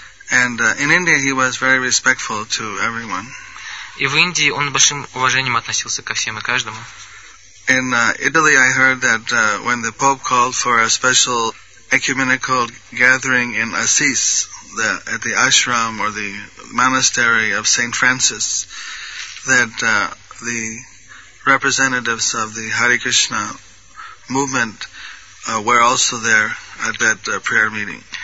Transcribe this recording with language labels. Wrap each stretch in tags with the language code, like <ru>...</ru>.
<en>And in India he was very respectful to everyone.</en> <ru>И в Индии он с большим уважением относился ко всем и каждому.</ru> <en>In Italy I heard that when the Pope called for a special ecumenical gathering in Assisi, at the ashram or the monastery of Saint Francis, that the representatives of the Hare Krishna movement were also there at that prayer meeting.</en>